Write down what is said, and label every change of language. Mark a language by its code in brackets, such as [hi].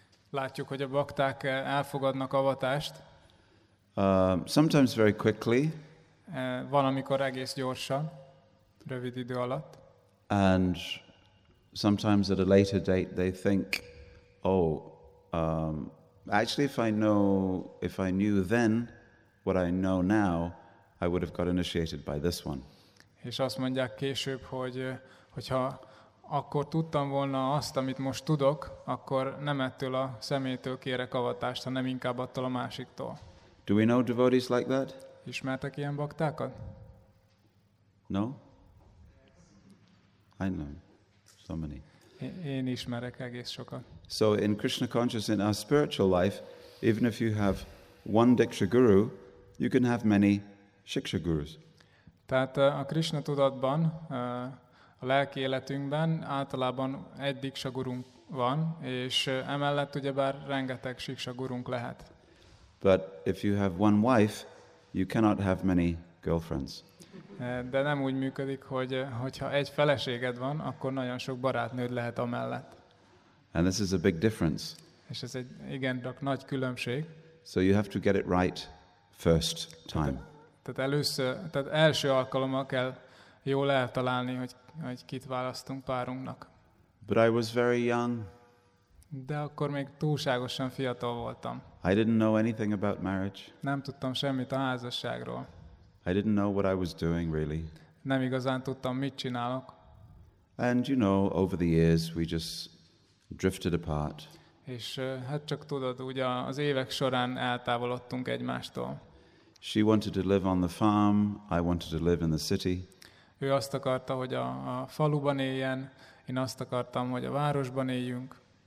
[hu] Látjuk, hogy a bakták elfogadnak avatást. [en] Sometimes very quickly. [hu] Valamikor egész gyorsan, rövid idő alatt. [en] And sometimes at a later date they think, oh, actually if I knew then what I know now, I would have got initiated by this one. [hu] És azt mondják később, hogyha akkor tudtam volna azt, amit most tudok, akkor nem ettől a személytől kérek avatást, hanem inkább attól a másiktól. [en] Do we know devotees like that? [hu] Ismertek ilyen baktákat? [en] No. I know so many. [hu] Én ismerek egész sokat. [en] So in Krishna consciousness, in our spiritual life, even if you have one Diksha guru, you can have many Shiksha gurus. [hu] Tehát a Krishna tudatban, a lelki életünkben általában egy Diksha gurunk van, és emellett ugyebár rengeteg Shiksha gurunk lehet. [en] But if you have one wife, you cannot have many girlfriends. [hu] De nem úgy működik, hogyha egy feleséged van, akkor nagyon sok barátnőd lehet amellett. [en] And this is a big difference. [hu] És ez egy igen nagy különbség. [en] So you have to get it right first time. [hu] Tehát első alkalommal kell jól eltalálni, hogy kit választunk párunknak. [en] But I was very young. [hu] De akkor még túlságosan fiatal voltam. [en] I didn't know anything about marriage. [hu] Nem tudtam semmit a házasságról. [en] I didn't know what I was doing really. [hu] Nem igazán tudtam, mit csinálok. [en] And you know, over the years we just drifted apart. [hu] És hát csak tudod, ugye az évek során eltávolodtunk egymástól. [en] She wanted to live on the farm, I wanted to live in the city. [hu] Ő azt akarta, hogy a faluban éljen, én azt akartam, hogy a városban éljünk.